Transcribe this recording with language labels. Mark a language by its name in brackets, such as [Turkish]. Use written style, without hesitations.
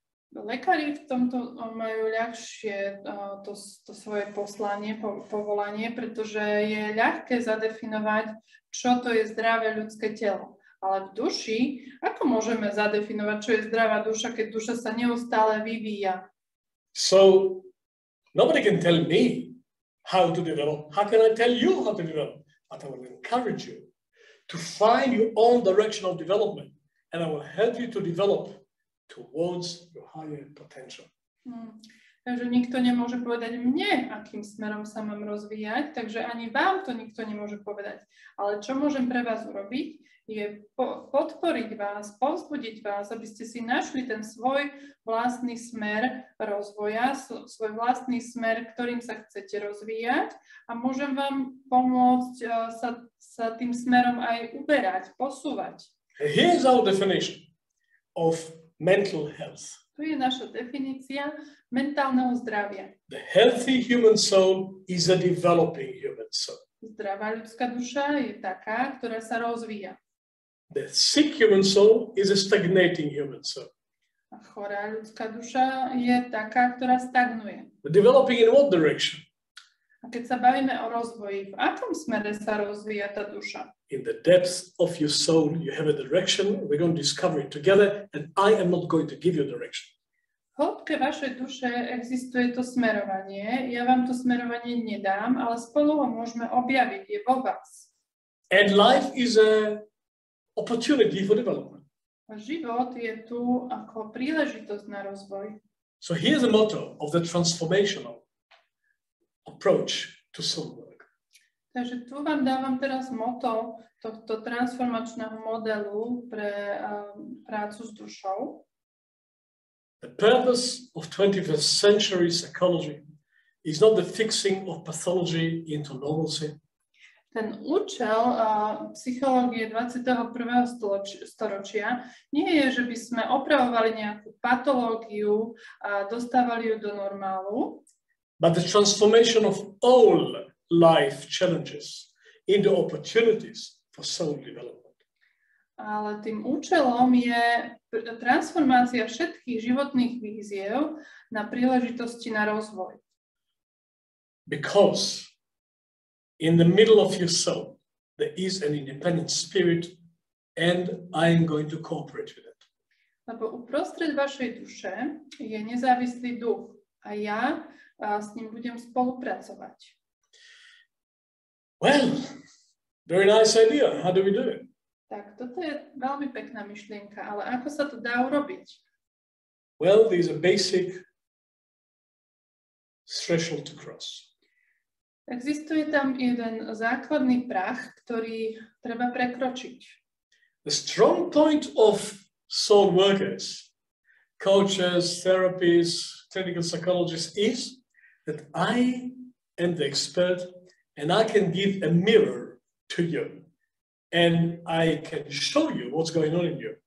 [Slovak] Lekári v tomto majú ľahšie to svoje poslanie, povolanie, pretože je ľahké zadefinovať, čo to je zdravé ľudské telo. Ale v duši, ako môžeme zadefinovať, čo je zdravá duša, keď duša sa neustále vyvíja? [English] So, nobody can tell me how to develop. How can I tell you how to develop? But I will encourage you to find your own direction of development and I will help you to develop towards your higher potential. [Slovak] Takže nikto nemôže povedať mne, akým smerom sa mám rozvíjať, takže ani vám to nikto nemôže povedať. Ale čo môžem pre vás urobiť, je podporiť vás, povzbudiť vás, aby ste si našli ten svoj vlastný smer rozvoja, svoj vlastný smer, ktorým sa chcete rozvíjať a môžem vám pomôcť sa tým smerom aj uberať, posúvať. [English] Here's our definition of mental health. [Slovak] Tu je naša definícia mentálneho zdravia. [English] The healthy human soul is a developing human soul. [Slovak] Zdravá ľudská duša je taká, ktorá sa rozvíja. [English] The sick human soul is a stagnating human soul. [Slovak] A chorá ľudská duša je taká, ktorá stagnuje. [English] But developing in what direction? [Slovak] A keď sa bavíme o rozvoji, v akom smere sa rozvíja tá duša? [English] In the depth of your soul, you have a direction. We're going to discover it together, and I am not going to give you a direction. [Slovak] V hĺbke vašej duše existuje to smerovanie. Ja vám to smerovanie nedám, ale spolu ho môžeme objaviť. Je vo vás. [English] And life is a opportunity for development. [Slovak] A život je tu ako príležitosť na rozvoj. [English] So here's the motto of the transformational approach to soul work. [Slovak] Takže tu vám dávam teraz motto tohto transformačného modelu pre prácu s dušou. [English] The purpose of 21st century psychology is not the fixing of pathology into normalcy. [Slovak] Ten účel psychológie 21. storočia nie je, že by sme opravovali nejakú patológiu a dostávali ju do normálu. [English] But the transformation of all life challenges into opportunities for soul development. [Slovak] Ale tým účelom je transformácia všetkých životných výziev na príležitosti na rozvoj. [English] Because in the middle of your soul, there is an independent spirit, and I am going to cooperate with it. [Slovak] Lebo uprostred vašej duše je nezávislý duch a ja s ním budem spolupracovať. [English] Well, very nice idea. How do we do it? [Slovak] Tak, toto je veľmi pekná myšlienka, ale ako sa to dá urobiť? [English] Well, there's a basic threshold to cross. [Slovak] Existuje tam jeden základný prach, ktorý treba prekročiť. [English] The strong point of soul workers, coaches, therapists, clinical psychologists is that I am the expert and I can give a mirror to you and I can show you what's going on in you.